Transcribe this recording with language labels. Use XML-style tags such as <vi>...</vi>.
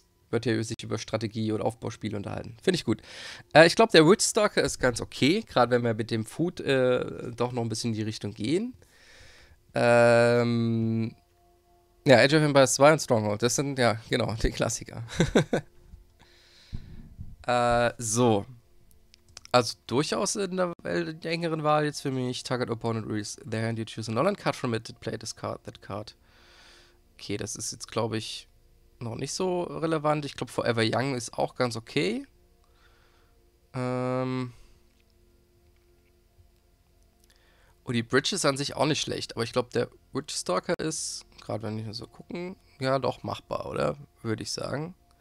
<de>Wird hier sich über Strategie oder Aufbauspiel unterhalten. Finde ich gut. Ich glaube, der Witchstalker ist ganz okay, gerade wenn wir mit dem Food doch noch ein bisschen in die Richtung gehen. Ja, Age of Empires 2 und Stronghold, das sind ja genau die Klassiker. So. Also durchaus in der engeren Wahl jetzt für mich.</de> <en>Target opponent reveals their hand, you choose a non-land card from it, play this card, that card.</en> <de>Okay, das ist jetzt glaube ich noch nicht so relevant. Ich glaube, Forever Young ist auch ganz okay. Und die Bridge ist an sich auch nicht schlecht, aber ich glaube, der Witchstalker ist, gerade wenn wir so gucken, ja doch machbar, oder? Würde ich sagen.</de>